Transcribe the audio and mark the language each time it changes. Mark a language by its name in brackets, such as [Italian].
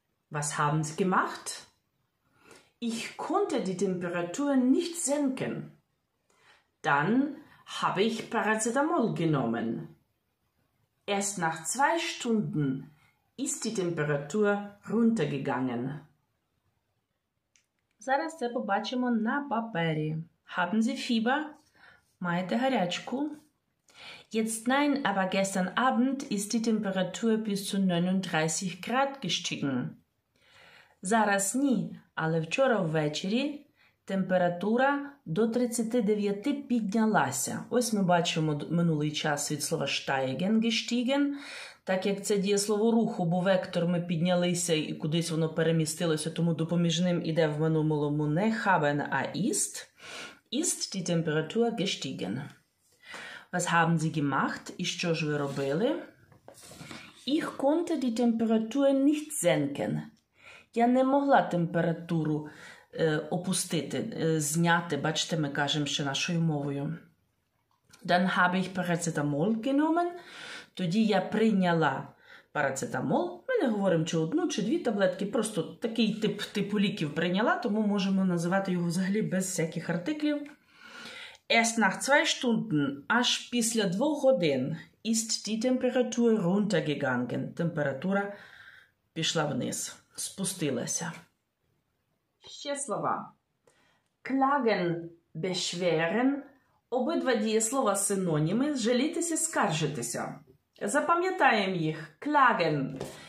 [German] Was haben Sie gemacht? Ich konnte die Temperatur nicht senken. Dann habe ich Paracetamol genommen. Erst nach 2 Stunden ist die Temperatur runtergegangen. [Ukrainian] Зараз це побачимо на папері. [German] Haben Sie Fieber? [Ukrainian] Маєте гарячку? [German] Jetzt nein, aber gestern Abend ist die Temperatur bis zu 39 Grad gestiegen. [Ukrainian] Зараз ні, але вчора ввечері температура до 39 піднялася. Ось ми бачимо минулий час від слова steigen, gestiegen. Так як це дієслово руху, бо вектор ми піднялися і кудись воно перемістилося, тому допоміжним іде в минулому не haben, а ist. [German] Ist die Temperatur gestiegen? Was haben Sie gemacht? [Ukrainian] І що ж ви робили? [German] Ich konnte die Temperatur nicht senken. [Ukrainian] Я не могла температуру опустити, зняти. Бачите, ми кажемо ще нашою мовою. [German] Dann habe ich Paracetamol genommen. [Ukrainian] Тоді я прийняла парацетамол. Ми не говоримо, чи одну, чи дві таблетки. Просто такий тип типу ліків прийняла, тому можемо називати його взагалі без всяких артиклів. [German] Erst nach 2 Stunden, [Ukrainian] аж після 2 годин, [German] ist die Temperatur runtergegangen. [Ukrainian] Температура пішла вниз, спустилася. Ще слова. Klagen, beschweren. Обидва дієслова синоніми – жалітися, скаржитися. Запам'ятаємо їх. Klagen.